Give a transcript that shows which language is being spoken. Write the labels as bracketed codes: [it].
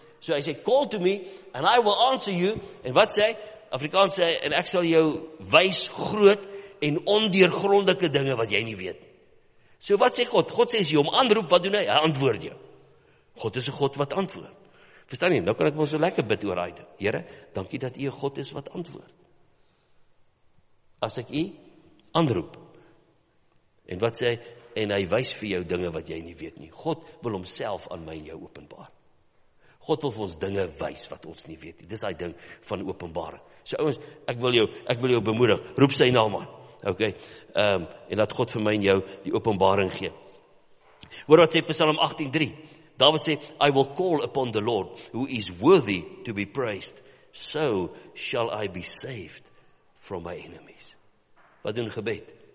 [af] So hy sê, [en] call to me and I will answer you. [af] En wat sê? Afrikaans sê, en ek sal jou wys groot en ondeurgrondelike dinge wat jy nie weet. So wat sê God? God sê, as jy hom aanroep, wat doen hy? Hy antwoord jou. God is 'n God wat antwoord. Verstaan jy, nou kan ek ons so lekker bid oor hy doen. Here, dankie dat jy 'n God is wat antwoord. As ek jy aanroep, en wat sê, en hy wys vir jou dinge wat jy nie weet nie. God wil homself aan my en jou openbaar. God wil vir ons dinge wys wat ons nie weet nie. Dis hy ding van openbare. So ouwens, ek wil jou bemoedig, roep sy naam aan. Okay, en laat God vir my en jou die openbaring gee. Hoor wat sê Psalm 18:3. David sê, [en] I will call upon the Lord, who is worthy to be praised, so shall I be saved from my enemies. [af] Wat doen gebed?